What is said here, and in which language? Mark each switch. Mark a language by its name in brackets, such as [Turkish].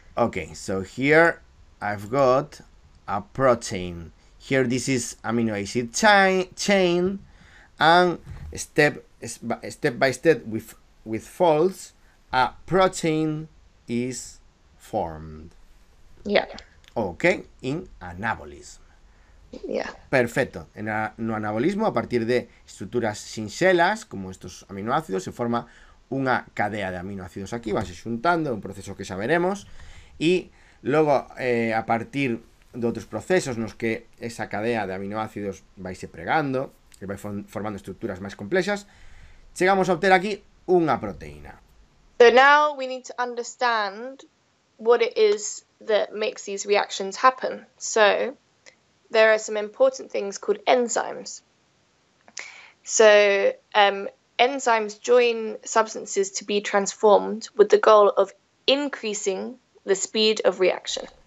[English] Okay, so here I've got a protein. Here this is amino acid chain, and step by step with folds, a protein is formed. Okay, in anabolism. [Spanish] Perfecto. En el anabolismo, a partir de estructuras sinceras, como estos aminoácidos, se forma una cadena de aminoácidos aquí, vas juntando, un proceso que ya veremos. Y luego, a partir de otros procesos en los que esa cadena de aminoácidos vais segregando, vais formando estructuras más complejas, llegamos a obtener aquí una proteína. [English] So now we need to understand what it is that makes these reactions happen. So there are some important things called enzymes. So enzymes join substances to be transformed with the goal of increasing the speed of reaction.